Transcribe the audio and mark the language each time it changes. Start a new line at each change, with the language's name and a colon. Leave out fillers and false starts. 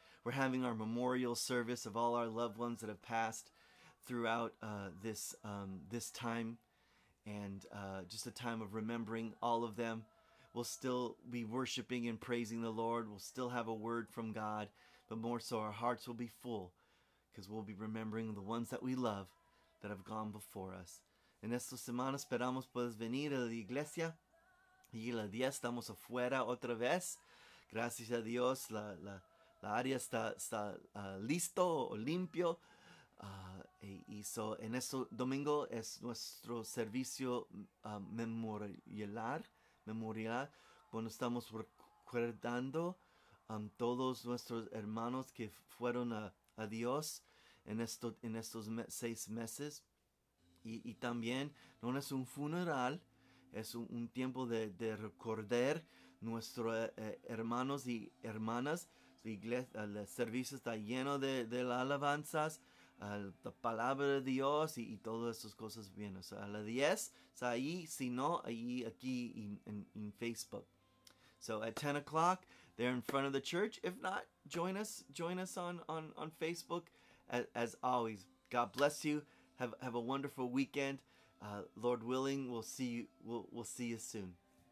English: We're having our memorial service of all our loved ones that have passed throughout this time. And just a time of remembering all of them. We'll still be worshiping and praising the Lord. We'll still have a word from God. But more so, our hearts will be full. Because we'll be remembering the ones that we love that have gone before us.
Spanish: En esta semana esperamos puedes venir a la iglesia. Y el día estamos afuera otra vez. Gracias a Dios, la área está listo o limpio. En este domingo es nuestro servicio memorial, cuando estamos recordando todos nuestros hermanos que fueron a Dios en estos seis meses. Y también no es un funeral, es un tiempo de recordar nuestros hermanos y hermanas. El servicio está lleno de alabanzas. La palabra de Dios y todas esas cosas bien. O sea, a las 10, o sea, ahí, si no, ahí, aquí en Facebook.
English: So at 10 o'clock, they're in front of the church. If not, join us on Facebook as always. God bless you. Have a wonderful weekend. Lord willing, we'll see you soon.